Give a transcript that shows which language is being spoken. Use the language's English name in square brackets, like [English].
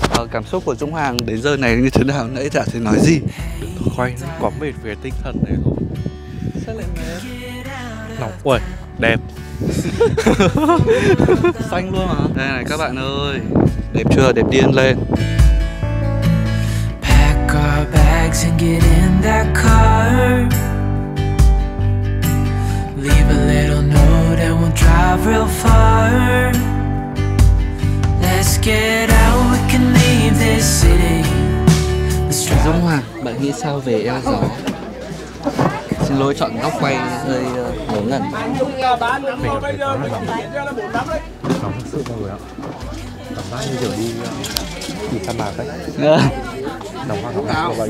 [Vietnamese] Cảm xúc của Dũng Hoàng đến giờ này như thế nào, nãy chả thấy nói gì. Thôi quay, có mệt về tinh thần này không? Sao lại mệt? Nóng, ui, đẹp. Xanh luôn hả? Đây này các bạn ơi, đẹp chưa, đẹp điên lên. [English] Pack our bags and get in that car. Leave a little note and we'll drive real far. Let's get out, we can leave this city. [Vietnamese] Dũng Hoàng, bạn nghĩ sao về eo gió? Xin lỗi chọn góc quay hơi ngớ ngẩn. Mình cảm thấy hơi nóng. Nóng thật sự mọi người ạ. Cảm giác như kiểu đi đi sa mạc ấy. Nóng hoa nóng.